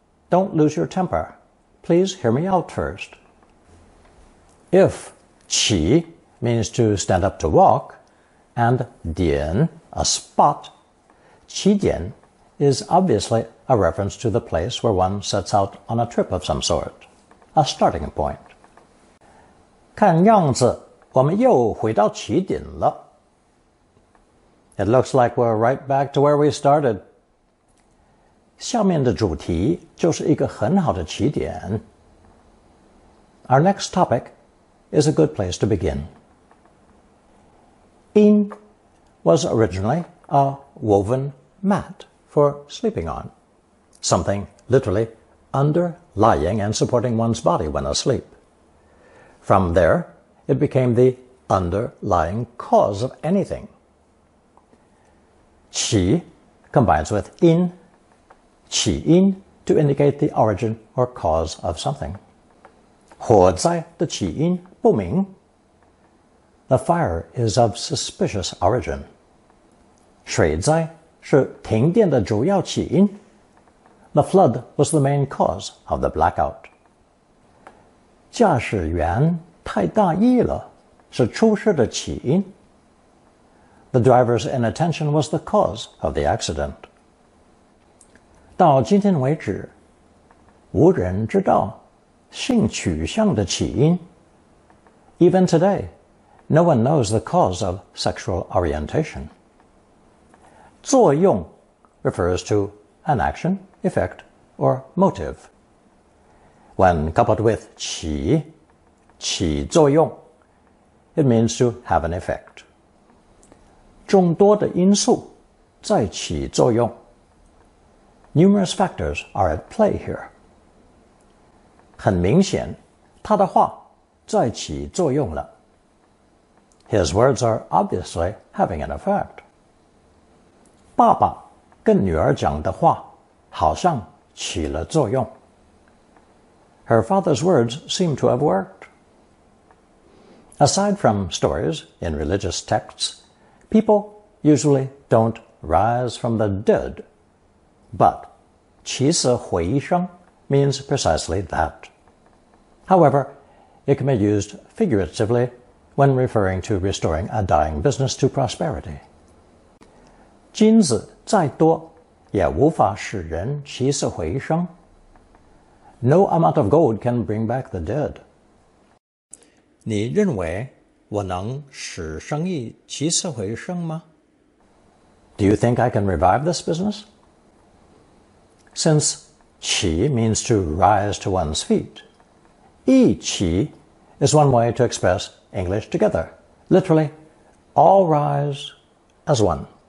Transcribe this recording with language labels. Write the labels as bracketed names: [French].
[English] Don't lose your temper. Please hear me out first. If [Chinese] 起 [English] means to stand up to walk, and [Chinese] 点 [English] a spot, [Chinese] 起点 [English] is obviously a reference to the place where one sets out on a trip of some sort, a starting point. [Chinese] 看样子我们又回到起点了。 [English] It looks like we're right back to where we started. [Chinese] 下面的主题就是一个很好的起点。 [English] Our next topic. Is a good place to begin. In was originally a woven mat for sleeping on, something literally under lying and supporting one's body when asleep. From there, it became the underlying cause of anything. [Chinese] 起 [English] combines with in, [Chinese] 起因 [English] to indicate the origin or cause of something. [Chinese] 火灾的起因不明。 [English] The fire is of suspicious origin. [Chinese] 水灾是停电的主要起因。 [English] The flood was the main cause of the blackout. [Chinese] 驾驶员太大意了是出事的起因。 [English] The driver's inattention was the cause of the accident. [Chinese] 到今天为止，无人知道性取向的起因。 [English] Even today, No one knows the cause of sexual orientation. 作用 refers to an action, effect, or motive. When coupled with 起作用 it means to have an effect. [Chinese] 众多的因素在起作用 [English] Numerous factors are at play here. [Chinese] 很明显他的话在起作用了。 [English] His words are obviously having an effect. [Chinese] 爸爸跟女儿讲的话好像起了作用。 [English] Her father's words seem to have worked. Aside from stories in religious texts, people usually don't rise from the dead. But 起死回生 means precisely that. However, it can be used figuratively when referring to restoring a dying business to prosperity. [Chinese] 金子再多也无法使人起死回生。 [English] No amount of gold can bring back the dead. [Chinese] 你认为我能使生意起死回生吗? [English] Do you think I can revive this business? Since 起 means to rise to one's feet, [Chinese] 一起 [English] is one way to express English together, literally, all rise as one.